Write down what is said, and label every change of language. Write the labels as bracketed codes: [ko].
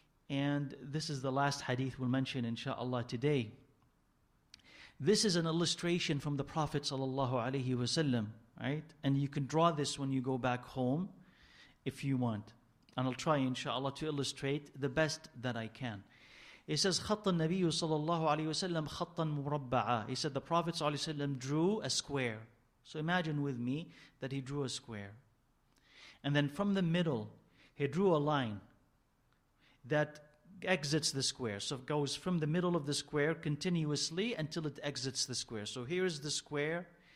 [en] And this is the last hadith we'll mention, inshaAllah, today. This is an illustration from the Prophet sallallahu alaihi wasallam, right? And you can draw this when you go back home, if you want. And I'll try, inshaAllah, to illustrate the best that I can. It says, [ar] خَطَّ النَّبِيُّ صَلَى اللَّهُ عَلَيْهِ وَسَلَّمْ خَطًّا مُرَبَّعًا. [en] He said, the Prophet sallallahu alaihi wasallam drew a square. So imagine with me that he drew a square. And then from the middle, he drew a line that exits the square. So it goes from the middle of the square continuously until it exits the square. So here is the square.